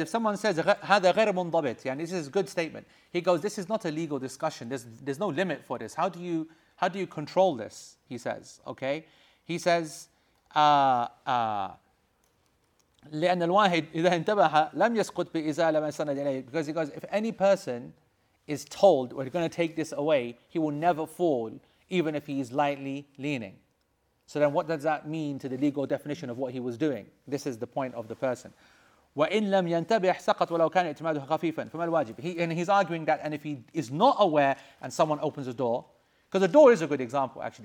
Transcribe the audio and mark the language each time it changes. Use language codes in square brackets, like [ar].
[en] If someone says [ar] هذا غير منضبط, [en] yeah, and this is a good statement, he goes, this is not a legal discussion. There's no limit for this. How do you control this? He says, okay. He says, [ar] لأن الواحد إذا انتبه لم يسقط بإزالة ما سند إليه. [en] Because he goes, if any person is told we're going to take this away, he will never fall, even if he is lightly leaning. So then what does that mean to the legal definition of what he was doing? This is the point of the person. [ar] وَإِنْ لَمْ يَنْتَبِحْ سَقَطْ وَلَوْ كَانَ اِعْتِمَادُهَ خَفِيفًا فَمَا الْوَاجِبِ [en] he, and he's arguing that, and if he is not aware and someone opens a door, because a door is a good example actually.